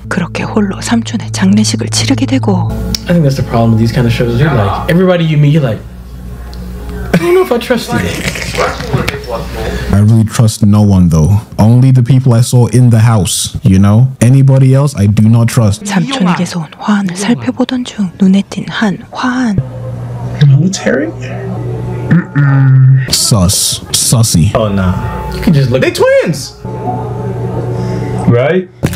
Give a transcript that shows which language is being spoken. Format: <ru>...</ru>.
<ko>그렇게 홀로 삼촌의 장례식을 치르게 되고.</ko> <en>I think that's the problem with these kind of shows. You're like, everybody you meet, you're like, don't know if I trust you. I really trust no one though. Only the people I saw in the house, you know? Anybody else I do not trust.</en> <ko>삼촌에게서 온 화환을 살펴보던 중 눈에 띈 한 화환.</ko> <en>Military? Sus. Sussy. Oh nah. You can just look. They twins! Right?</en>